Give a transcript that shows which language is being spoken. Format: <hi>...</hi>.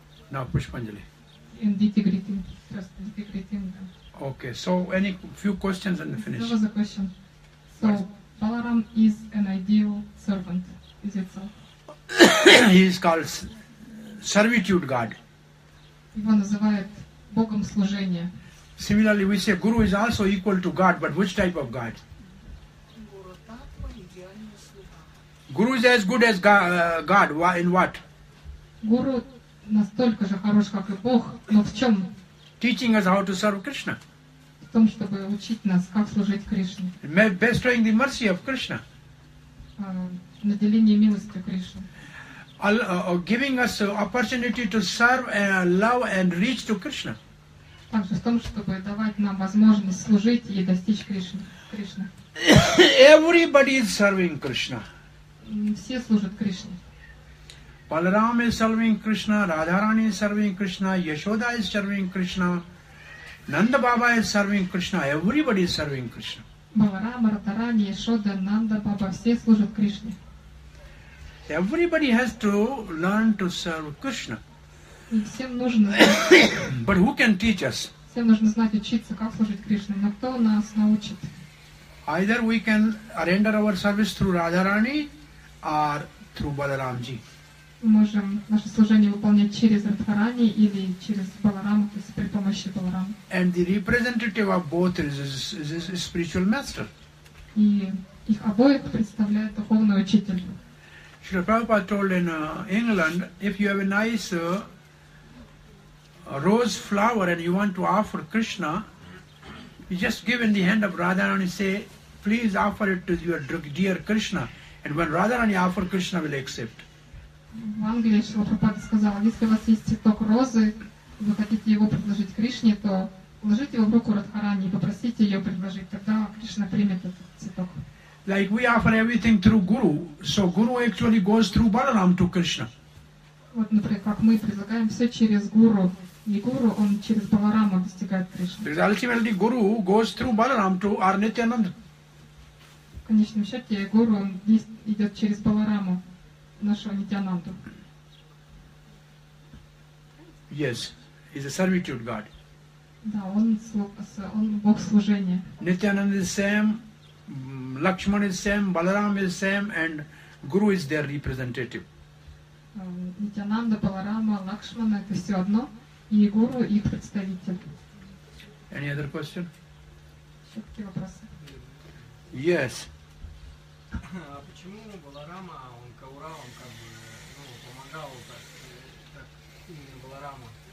<en>No, Pashpanjali. And</en> <uk>діти</uk> <en>greetings. First, діти greetings. Okay, so any few questions and finish. There was a question. So, Balaram is an ideal servant, is it so? He is called servitude God.</en> <ru>Его называют Богом служения.</ru> <en>Similarly, we say Guru is also equal to God, but which type of God? Guru is as good as God. In what?</en> <ru>Guru настолько же хорош, как и Бог, но в чем?</ru> <en>Teaching us how to serve Krishna.</en> <ru>В том, чтобы учить нас, как служить Кришне.</ru> <en>Bestowing the mercy of Krishna.</en> <ru>Наделение милости Кришны.</ru> <en>Giving us opportunity to serve and love and reach to Krishna.</en> <ru>Также в том, чтобы давать нам возможность служить и достичь Кришны.</ru> <en>Everybody is serving Krishna.</en> <ru>Все служат Кришне.</ru> <en>Balaram is serving Krishna, Radharani is serving Krishna, Yashoda is serving Krishna, Nanda Baba is serving Krishna, everybody is serving Krishna.</en> <ru>Balaram, Radharani, Yashoda, Nanda Baba, все служат Кришне.</ru> <en>Everybody has to learn to serve Krishna.</en> <ru>Всем нужно.</ru> <en>But who can teach us?</en> <ru>Всем нужно знать учиться, как служить Кришне. Но кто нас научит?</ru> <en>Either we can render our service through Radharani or through Balaramji.</en> <ru>Мы можем наше служение выполнять через Радхарани или через Баларама, то есть при помощи Баларама.</ru> <en>And the representative of both is a spiritual master.</en> <ru>И их обоих представляет духовный учитель.</ru> <en>Srila Prabhupada told in England, if you have a nice rose flower and you want to offer Krishna, you just give in the hand of Radharani and say, please offer it to your dear Krishna. And when Radharani offer, Krishna will accept.</en> <ru>В Англии Srila Prabhupada сказал, если у вас есть цветок розы, вы хотите его предложить Кришне, то положите его в руку Радхарани и попросите ее предложить, тогда Кришна примет этот цветок.</ru> <en>Like we offer everything through Guru, so Guru actually goes through Balaram to Krishna.</en> <ru>Вот, например, как мы предлагаем все через Гуру. Не Гуру, он через Баларама достигает Кришны.</ru> <en>Because ultimately Guru goes through Balaram to our Nityananda.</en> <ru>В конечном счете, Гуру он идет через Баларама нашего Нитянанду.</ru> <en>Yes, he's a servitude God.</en> <ru>Да, он Бог служения.</ru> <en>Nityananda is the same. Lakshman is same, Balaram is same, and Guru is their representative.</en> <ru>Nityananda, Balarama, Lakshmana, это все одно, и Guru их представитель.</ru> <en>Any other question?</en> <ru>Еще какие вопросы?</ru> <en>Yes.</en> <ru>А почему Баларама, он Каура, он как бы, ну, помогал так Баларама?</ru>